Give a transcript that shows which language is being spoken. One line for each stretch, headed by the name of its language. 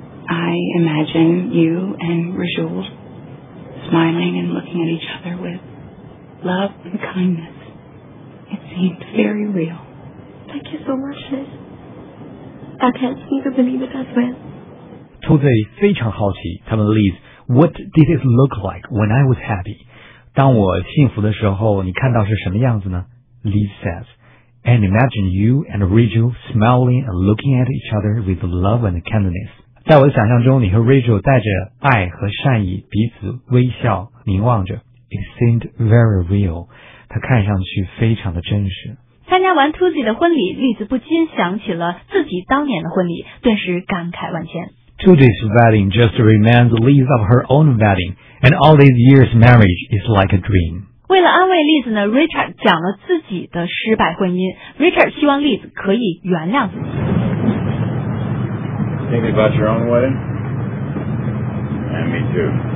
English: I imagine you and Rajul smiling and looking at each other with love and kindness. It seems very real. Thank you so much, Liz. That helps me to believe it as well. Tuzi
Chinese: 非常好奇，他问
English: Liz, What did it look like when I was happy?
Chinese: 当我幸福的时候，你看到是什么样子呢？
English: Liz says, And imagine you and Rajul smiling and looking at each other with love and kindness.
Chinese: 在我的想象中，你和 Rachel 带着爱和善意彼此微笑凝望着。
English: It seemed very real.
Chinese: 它看上去非常的真实。参加完 Tuzi 的婚礼，丽子不禁想起了自己当年的婚礼，顿时感慨万千。
English: Tuzi's wedding just reminds Liz of her own wedding, and all these years marriage is like a dream.
Chinese: 为了安慰 Liz 呢， Richard 讲了自己的失败婚姻。 Richard 希望 Liz 可以原谅自己。
English: Thinking about your own wedding? Yeah, me too.